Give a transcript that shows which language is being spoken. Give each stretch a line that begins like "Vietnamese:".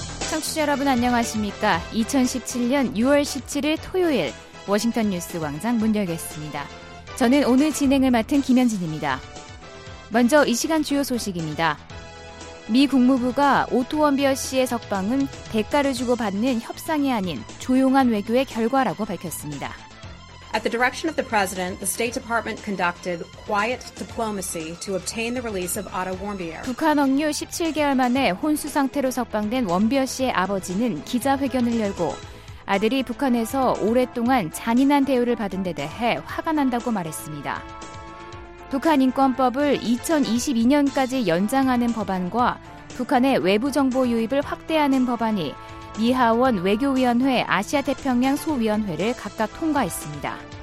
Korean: 청취자 여러분 안녕하십니까? 2017년 6월 17일 토요일 워싱턴 뉴스 광장 문 열겠습니다. 저는 오늘 진행을 맡은 김현진입니다. 먼저 이 시간 주요 소식입니다. 미 국무부가 오토 원비어 씨의 석방은 대가를 주고 받는 협상이 아닌 조용한 외교의 결과라고 밝혔습니다.
English: At the direction of the president, the State Department conducted quiet diplomacy to obtain the release of Otto Warmbier.
Korean: 북한 억류 17개월 만에 혼수 상태로 석방된 원비어 씨의 아버지는 기자회견을 열고 아들이 북한에서 오랫동안 잔인한 대우를 받은 데 대해 화가 난다고 말했습니다. 북한 인권법을 2022년까지 연장하는 법안과 북한의 외부 정보 유입을 확대하는 법안이 미 하원 외교위원회 아시아태평양 소위원회를 각각 통과했습니다.